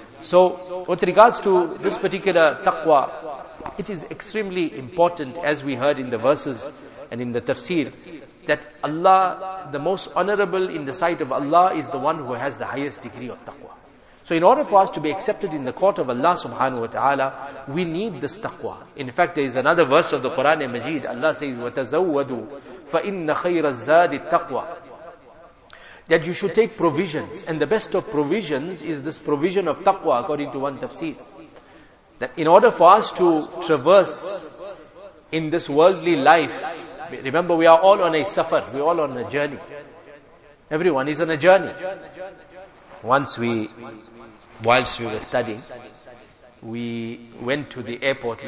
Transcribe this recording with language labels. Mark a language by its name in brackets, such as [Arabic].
[English] So with regards to this particular taqwa, it is extremely important, as we heard in the verses and in the tafsir, that Allah, the most honorable in the sight of Allah, is the one who has the highest degree of taqwa. So in order for us to be accepted in the court of Allah subhanahu wa ta'ala, we need this taqwa. In fact, there is another verse of the Quran and Majeed. Allah says, [Arabic] وَتَزَوَّدُوا فَإِنَّ خَيْرَ الزَّادِ التَّقْوَى. [English] That you should take provisions. And the best of provisions is this provision of taqwa, according to one tafsir. That in order for us to traverse in this worldly life, remember, we are all on a safar, we are all on a journey. Everyone is on a journey. Whilst we were studying, we went to the airport.